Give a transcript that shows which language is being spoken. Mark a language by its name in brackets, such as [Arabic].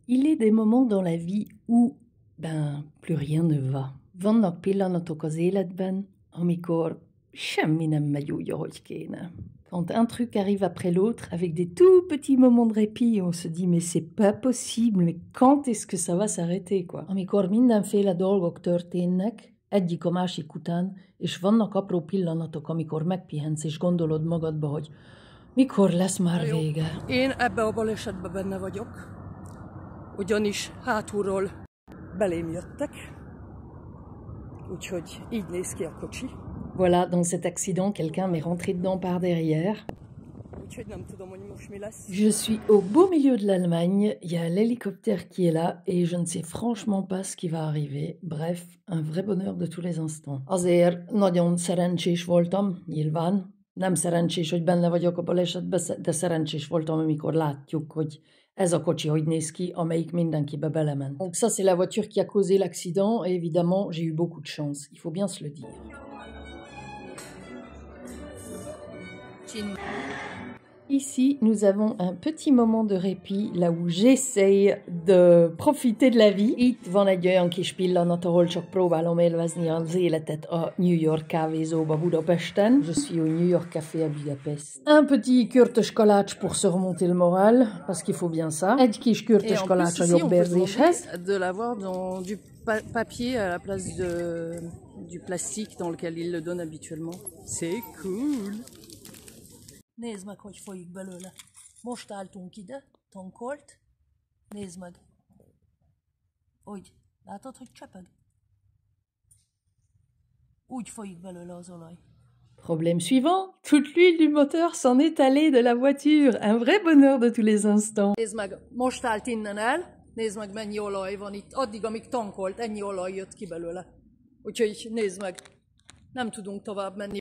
[French] Il est des moments dans la vie où, plus rien ne va. [Hungarian] Vanno a pillanatok az életben, amikor semmi nem megy úgy, ahogy kéne. [French] Quand un truc arrive après l'autre, avec des tout petits moments de répit, on se dit mais c'est pas possible, mais quand est-ce que ça va s'arrêter quoi? [Hungarian] Amikor mindenféle dolgok történnek, egyik a másik után, és vannak apró pillanatok, amikor megpihensz és gondolod magadba, hogy mikor lesz már jó. Vége? Én ebbe a balesetbe benne vagyok, ugyanis hátulról belém jöttek, úgyhogy így néz ki a kocsi. [French] Voilà, dans cet accident, quelqu'un m'est rentré dedans par derrière. [Hungarian] Úgyhogy nem tudom, hogy most mi lesz. [French] Je suis au beau milieu de l'Allemagne, il y a l'hélicoptère qui est là, et je ne sais franchement pas ce qui va arriver. Bref, un vrai bonheur de tous les instants. [Hungarian] Azért nagyon szerencsés voltam, nyilván. Nem szerencsés, hogy benne vagyok a balesetben, de szerencsés voltam, amikor látjuk, hogy ez a kocsi hogy néz ki, amelyik mindenkibe belement. [French] Donc ça c'est la voiture qui a causé l'accident, et évidemment j'ai eu beaucoup de chance, il faut bien se le dire. Ici, nous avons un petit moment de répit, là où j'essaye de profiter de la vie. [Hungarian] Itt van egy olyan kis pillanat, ahol csak próbálom élvezni az életet a New York kávézóba Budapesten. [French] Je suis au New York Café à Budapest. Un petit kürtös kalács pour se remonter le moral, parce qu'il faut bien ça. [Hungarian] Egy kis kürtös kalács a jobbérzéshez. [French] Et en plus ici, on peut l'avoir dans du papier à la place de, du plastique dans lequel il le donne habituellement. C'est cool! [Hungarian] Nézd meg, hogy folyik belőle. Most álltunk ide, tankolt. Nézd meg. Úgy, látod, hogy csepeg? Úgy folyik belőle az olaj. [French] Problème suivant. Toute l'huile du moteur s'en est allée de la voiture. Un vrai bonheur de tous les instants. [Hungarian] Nézd meg, most állt innen el. Nézd meg, mennyi olaj van itt. Addig, amíg tankolt, ennyi olaj jött ki belőle. Úgyhogy nézd meg. Nem tudunk tovább menni.